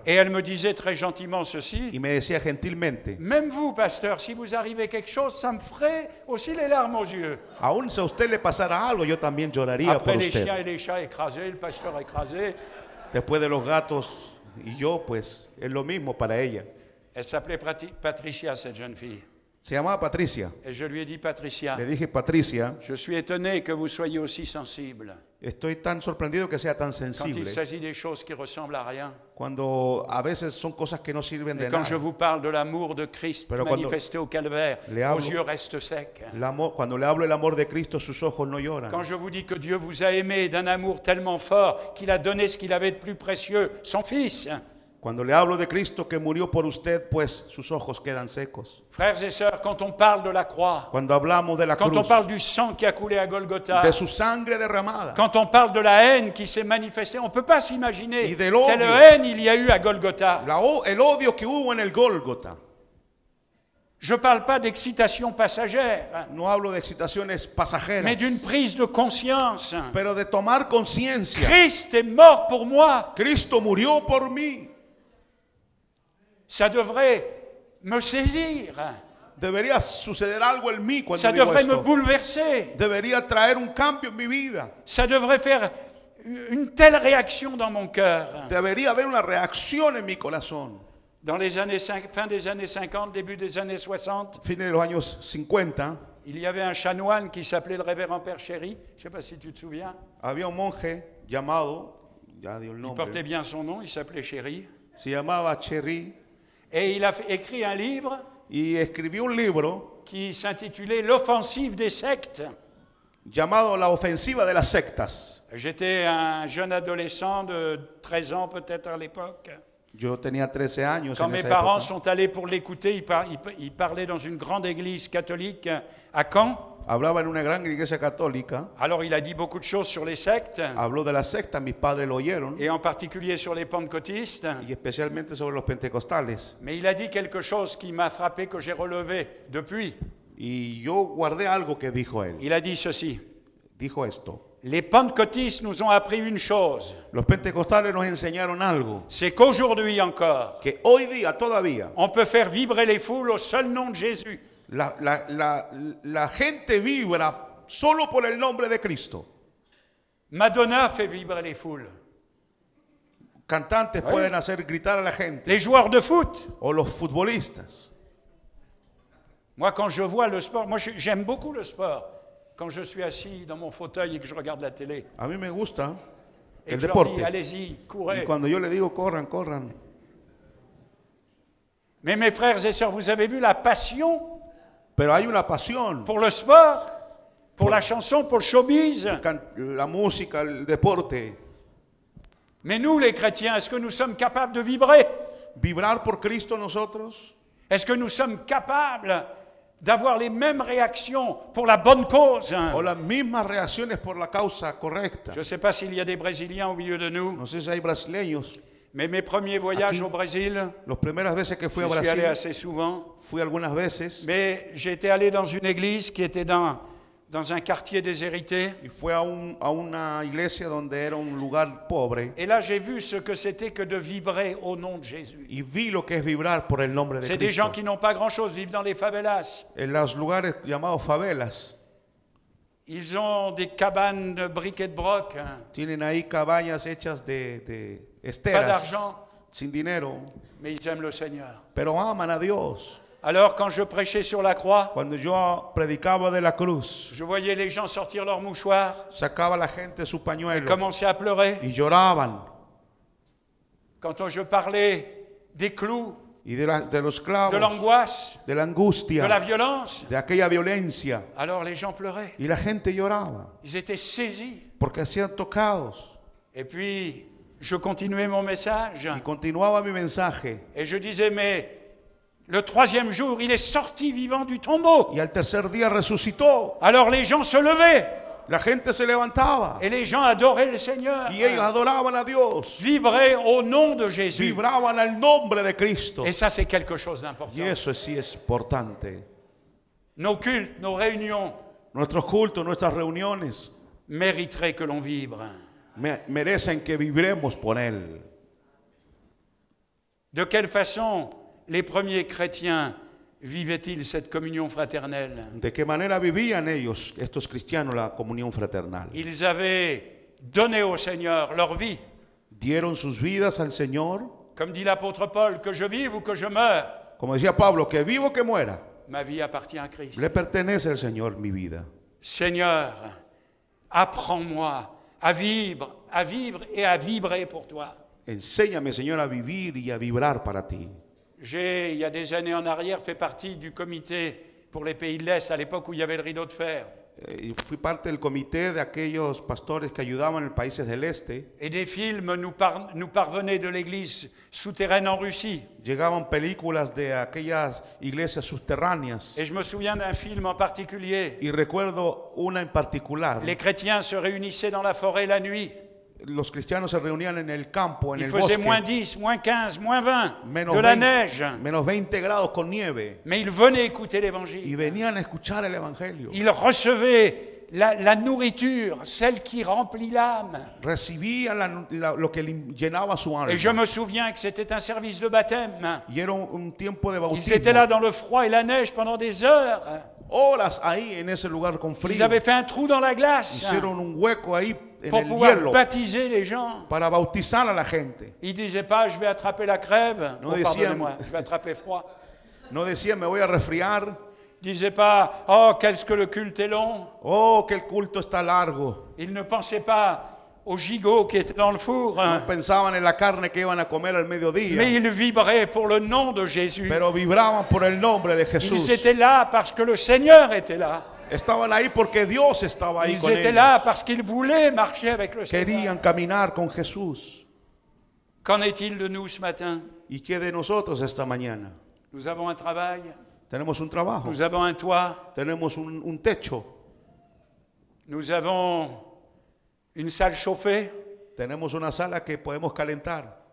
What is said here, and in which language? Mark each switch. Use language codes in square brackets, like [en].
[fr] Et elle me disait très gentiment ceci. [es] Y me decía gentilmente. [fr] Même vous, pasteur, si vous arrivez quelque chose, ça me ferait aussi les larmes aux yeux. [es] Aún si a usted le pasara algo, yo también lloraría [fr] Après [es] por usted. [fr] Après les chiens et les chats écrasés, le pasteur écrasé. [es] Después de los gatos y yo, pues, es lo mismo para ella. [fr] Elle s'appelait Patricia, cette jeune fille. [es] Se llamaba Patricia. [fr] Et je lui ai dit Patricia. [es] Le dije Patricia. [fr] Je suis étonné que vous soyez aussi sensible. [es] Estoy tan sorprendido que sea tan sensible. [fr] Quand il s'agit des choses qui ressemblent à rien. [es] Cuando a veces son cosas que no sirven [fr] Et quand [es] nada. [fr] Quand je vous parle de l'amour de Christ Pero manifesté au calvaire, [es] le hablo, [fr] vos yeux restent secs. [es] Cuando le hablo el amor de Cristo, sus ojos no lloran. [fr] Quand je vous dis que Dieu vous a aimé d'un amour tellement fort qu'il a donné ce qu'il avait de plus précieux, son Fils. [es] Cuando le hablo de Cristo que murió por usted, pues sus ojos quedan secos. [fr] Frères et sœurs, quand on parle de la croix, [es] cuando hablamos de la [fr] quand [es] cruz, [fr] on parle du sang qui a coulé à Golgotha, [es] de su sangre derramada, [fr] quand on parle de la haine qui s'est manifestée, on ne peut pas s'imaginer [es] y del odio, [fr] quelle haine il y a eu à Golgotha. [es] El odio que hubo en el Golgotha. [fr] Je ne parle pas d'excitation passagère, [es] no hablo de excitaciones pasajeras, [fr] mais d'une prise de conscience. [es] Pero de tomar conciencia. [fr] Christ est mort pour moi. [es] Cristo murió por mí. [fr] Ça devrait me saisir. [es] Debería suceder algo en mí cuando [fr] Ça devrait [es] digo esto. [fr] Me bouleverser. [es] Debería traer un cambio en mi vida. [fr] Ça devrait faire une telle réaction dans mon cœur. [es] Debería haber una reacción en mi corazón. [fr] Dans les années fin des années 50, début des années 60. [es] Fin de los años 50. [fr] Il y avait un chanoine qui s'appelait le révérend Père Chéri. Je ne sais pas si tu te souviens. [es] Había un monje llamado. Ya dio el nombre. [fr] Il portait bien son nom. Il s'appelait Chéri. [es] Se llamaba Chéri. [fr] Et il a écrit un livre, [es] y escribió un libro [fr] qui s'intitulait L'offensive des sectes. [es] Llamado La ofensiva de las sectas. [fr] J'étais un jeune adolescent de 13 ans peut-être à l'époque. [es] Yo tenía 13 años [fr] Quand [es] en [fr] mes parents [es] época. [fr] Sont allés pour l'écouter, ils parlaient dans une grande église catholique à Caen. [es] Hablaba en una gran iglesia católica. [fr] Alors il a dit beaucoup de choses sur les sectes. [es] Habló de las sectas, mis padres lo oyeron. [fr] Et en particulier sur les pentecostistes. [es] Y especialmente sobre los pentecostales. [fr] Mais il a dit quelque chose qui m'a frappé, que j'ai relevé depuis. [es] Y yo guardé algo que dijo él. [fr] Il a dit ceci. [es] Dijo esto. [fr] Les pentecostistes nous ont appris une chose. [es] Los pentecostales nos enseñaron algo. [fr] C'est qu'aujourd'hui encore. [es] Que hoy día todavía. [fr] On peut faire vibrer les foules au seul nom de Jésus. [es] La gente vibra solo por el nombre de Cristo. [fr] Madonna fait vibrer les foules. [es] Cantantes oui. pueden hacer gritar a la gente. [fr] Les joueurs de foot. [es] O los futbolistas. [fr] Moi, quand je vois le sport, moi j'aime beaucoup le sport. Quand je suis assis dans mon fauteuil et que je regarde la télé. [es] A mí me gusta [fr] et [es] el deporte. [fr] Et je dis, allez-y, courez. [es] Y cuando yo le digo, corran, corran. [fr] Mais mes frères et sœurs, vous avez vu la passion? [es] Pero hay una pasión. [fr] Pour le sport, pour la chanson, pour le showbiz. [es] La música, el deporte. [fr] Mais nous, les chrétiens, est-ce que nous sommes capables de vibrer? [es] Vibrar por Cristo nosotros? [fr] Est-ce que nous sommes capables d'avoir les mêmes réactions pour la bonne cause? [es] O las mismas reacciones por la causa correcta. [fr] Je ne sais pas s'il y a des Brésiliens au milieu de nous. [es] No sé si hay brasileños. [fr] Mais mes premiers voyages au Brésil, [es] las primeras veces que fui a Brasil, [fr] suis allé assez souvent, [es] fui algunas veces, [fr] mais j'étais allé dans une église qui était dans un quartier déshérité, [es] y fui a una iglesia donde era un lugar pobre, [fr] et là j'ai vu ce que c'était que de vibrer au nom de Jésus. [es] Y vi lo que es vibrar por el nombre de [fr] C'est [es] Cristo. [fr] Des gens qui n'ont pas grand-chose, vivent dans les favelas. [es] En los lugares llamados favelas. [fr] Ils ont des cabanes de briques et de broc. Hein. [es] Tienen ahí cabañas hechas de esteras, [fr] pas d'argent, [es] sin dinero, [fr] mais ils aiment le Seigneur. [es] Pero aman a Dios. [fr] Alors quand je prêchais sur la croix, [es] cuando yo predicaba de la cruz, [fr] je voyais les gens sortir leurs mouchoirs, [es] sacaba la gente su pañuelo, [fr] et commençaient à pleurer, [es] y lloraban. [fr] quand je parlais des clous, [es] y de, la, de los clavos, [fr] de l'angoisse, [es] de l'angustia, [fr] de la violence, [es] de aquella violencia, [fr] alors les gens pleuraient. [es] Y la gente lloraba. [fr] Ils étaient saisis. [es] Porque hacían tocados. [fr] Et puis, je continuais mon message. [es] Y continuaba mi mensaje. [fr] Et je disais, mais le troisième jour, il est sorti vivant du tombeau. [es] Y el tercer día resucitó. [fr] Alors les gens se levaient. [es] La gente se levantaba. [fr] Et les gens adoraient le Seigneur. [es] Y ellos adoraban a Dios. [fr] Vibraient au nom de Jésus. [es] Vibraban al nombre de Cristo. [fr] Et ça, c'est quelque chose d'important. [es] Y eso es importante. [fr] Nos cultes, nos réunions. [es] Nuestros cultos, nuestras reuniones. [fr] Mériteraient que l'on vibre. [es] Merecen que vibremos por él. [fr] De quelle façon les premiers chrétiens vivaient-ils cette communion fraternelle? [es] De qué manera vivían ellos, estos cristianos, la comunión fraternal? [fr] Ils avaient donné au Seigneur leur vie. [es] Dieron sus vidas al Señor. [fr] Comme dit l'apôtre Paul, que je vive ou que je meure. [es] Como decía Pablo, que vivo que muera. [fr] Ma vie appartient à Christ. [es] Le pertenece al Señor mi vida. [fr] Seigneur, apprends-moi à vivre et à vibrer pour toi. [es] Enséñame, Señor, a vivir y a vibrar para ti. [fr] J'ai, il y a des années en arrière, fait partie du comité pour les pays de l'Est, à l'époque où il y avait le rideau de fer. [es] Fui parte del comité de aquellos pastores que ayudaban en los países del este. [fr] Et des films nous parvenaient de l'église souterraine en Russie. [es] Llegaban películas de aquellas iglesias subterráneas. [fr] Et je me souviens d'un film en particulier. [es] Y recuerdo una en particular. [fr] Les chrétiens se réunissaient dans la forêt la nuit. [es] Los cristianos se reunían en el campo, en [fr] il [es] el bosque. [fr] Il faisait moins 10, moins 15, moins 20 [es] menos de 20, [fr] la neige. [es] Menos 20 grados con nieve. [fr] Mais ils venaient écouter l'évangile. [es] Y venían a escuchar el evangelio. [fr] Ils recevaient la nourriture, celle qui remplit l'âme. [es] Recibían lo que llenaba su alma. [fr] Et je me souviens que c'était un service de baptême. [es] Y era un tiempo de bautismo. [fr] Ils étaient là dans le froid et la neige pendant des heures. [es] Horas ahí en ese lugar con frío. [fr] Ils avaient fait un trou dans la glace. [es] Hicieron un hueco ahí. [fr] Pour pouvoir baptiser les gens. [es] Para bautizar a la gente. [fr] Ils ne disaient pas, je vais attraper la crève. No oh, pardonnez-moi, je vais attraper froid. [es] No decían, me voy a resfriar. [fr] Ils disaient pas, oh, qu'est-ce que le culte est long. [es] Oh, quel culto está largo. [fr] Ils ne pensaient pas au gigot qui était dans le four. [es] No pensaban en la carne que iban a comer al mediodía. [fr] Mais ils vibraient pour le nom de Jésus. [es] Pero vibraban por el nombre de Jesús. [fr] Ils étaient là parce que le Seigneur était là. [es] Estaban ahí porque Dios estaba ahí [fr] ils [es] con [fr] étaient [es] ellos. [fr] Là parce qu'ils voulaient marcher avec le [es] Querían [fr] Seigneur. [es] Caminar con Jesús. [fr] Qu'en est-il de nous ce matin? [es] ¿Y qué de nosotros esta mañana? [fr] Nous avons un travail. [es] Tenemos un trabajo. [fr] Nous avons un toit. [es] Tenemos un techo. [fr] Nous avons une salle chauffée. [es] Tenemos una sala que podemos calentar.